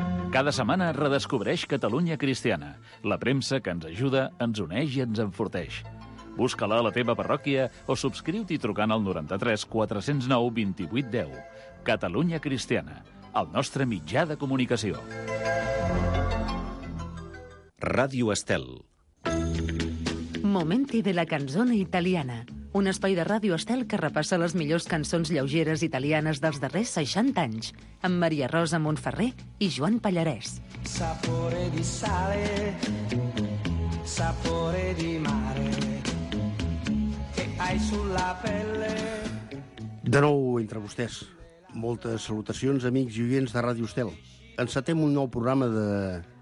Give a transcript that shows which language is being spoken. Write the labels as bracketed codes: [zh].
[ca] Cada setmana redescobreix Catalunya Cristiana, la premsa que ens ajuda, ens uneix i ens enforteix. Busca-la a la teva parròquia o subscriu-t'hi trucant al 93 409 28 10. Catalunya Cristiana, el nostre mitjà de comunicació. Ràdio Estel. [it] Momenti della canzone italiana. [ca] un espai de Ràdio Estel que repassa les millors cançons lleugeres italianes dels darrers 60 anys, amb Maria Rosa Montferrer i Joan Pallarès. [it] Sapore di sale, sapore di mare, che hai sulla pelle. [ca] De nou entre vostès. Moltes salutacions, amics i oients de Ràdio Estel. Encetem un nou programa de...